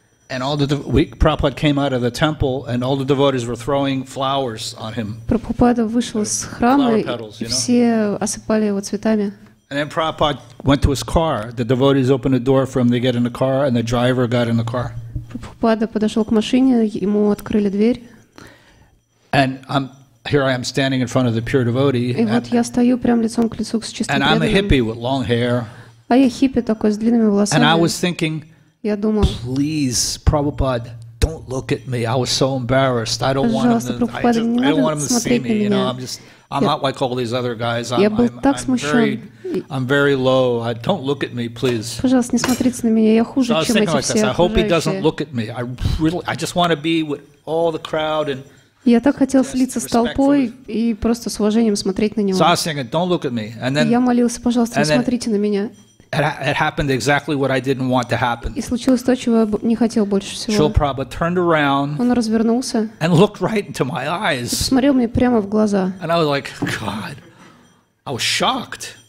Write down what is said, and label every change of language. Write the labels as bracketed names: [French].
[English] And all the Prabhupada came out of the temple, and all the devotees were throwing flowers on him. [Russian] Прабхупада вышел из храма, и все осыпали его цветами. [English] And then Prabhupada went to his car. The devotees opened the door for him. They get in the car, and the driver got in the car. [Russian] Прабхупада подошел к машине, ему открыли дверь. [English] And here I am standing in front of the pure devotee. [Russian] И вот я стою прямо лицом к лицу с чистым преданным. [English] And I'm a hippie with long hair. [Russian] А я хиппи такой с длинными волосами. [English] And I was thinking, please, Prabhupada, don't look at me. I was so embarrassed. I don't want him to see me. You know, I'm not like all these other guys. I'm very low. Don't look at me, please. [Russian] Пожалуйста, не смотрите на меня. Я хуже, чем эти все. [English] I hope he doesn't look at me. I just want to be with all the crowd and. [Russian] Я так хотел слиться с толпой и просто с уважением смотреть на него. [English] So I was saying, don't look at me. And then. [Russian] Я молился, пожалуйста, не смотрите на меня. [English] It happened exactly what I didn't want to happen. [Russian] И случилось то, чего я не хотел больше всего. [English] Шрила Прабхупада turned around. [Russian] Он развернулся. [English] And looked right into my eyes. [Russian] Смотрел мне прямо в глаза. [English] And I was like, God, I was shocked.